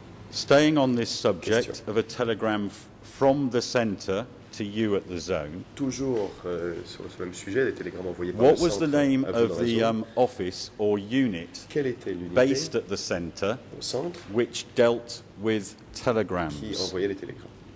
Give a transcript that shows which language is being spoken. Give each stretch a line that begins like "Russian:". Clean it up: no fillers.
English: Staying on this subject of a telegram from the center to you at the zone.
French: Toujours sur le même sujet, des télégrammes envoyés par le centre.
English: What was the name of the office or unit based at the center
French: au centre
English: which dealt with telegrams?
French: Qui envoyait les télégrammes.